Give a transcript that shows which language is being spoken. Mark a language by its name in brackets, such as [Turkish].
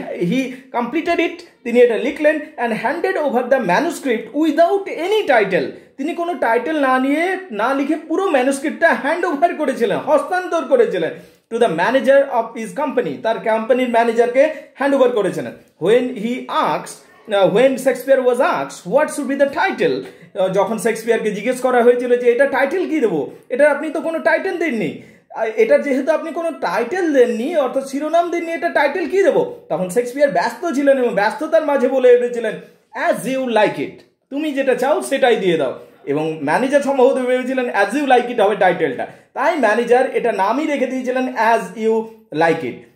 [English] he completed it, [Bangla] তিনি এটা লিখলেন [English] and handed over the manuscript without any title, [Bangla] তিনি কোনো টাইটেল না লিখে পুরো ম্যানুস্ক্রিপ্টটা হ্যান্ড ওভার করেছিলেন, হস্তান্তর করেছিলেন [English] to the manager of his company, [Bangla] তার কোম্পানির ম্যানেজারকে হ্যান্ড ওভার করেছিলেন। [English] When he asks When Shakespeare was asked, what should be the title? [Bangla] যখন শেক্সপিয়ারকে জিজ্ঞেস করা হয়েছিল যে এটা টাইটেল কী দেবো, এটা আপনি তো কোনো টাইটেল দেননি, এটা যেহেতু আপনি কোনো টাইটেল দেননি অর্থাৎ শিরোনাম দেননি, এটা টাইটেল কী দেবো, তখন শেক্সপিয়ার ব্যস্ত ছিলেন এবং ব্যস্ততার মাঝে বলে উঠেছিলেন, অ্যাজ ইউ লাইক ইট, তুমি যেটা চাও সেটাই দিয়ে দাও, এবং ম্যানেজার সম্ভবত ভেবেছিলেন অ্যাজ ইউ লাইক ইট হবে টাইটেলটা, তাই ম্যানেজার এটা নামই রেখে দিয়েছিলেন অ্যাজ ইউ লাইক ইট।